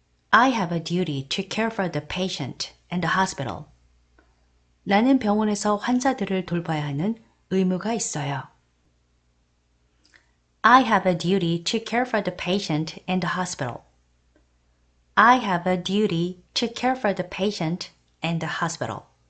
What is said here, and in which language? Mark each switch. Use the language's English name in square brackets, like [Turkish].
[English] I have a duty to care for the patient in the hospital. [Korean] 나는 병원에서 환자들을 돌봐야 하는 의무가 있어요. [English] I have a duty to care for the patient in the hospital. I have a duty to care for the patient in the hospital.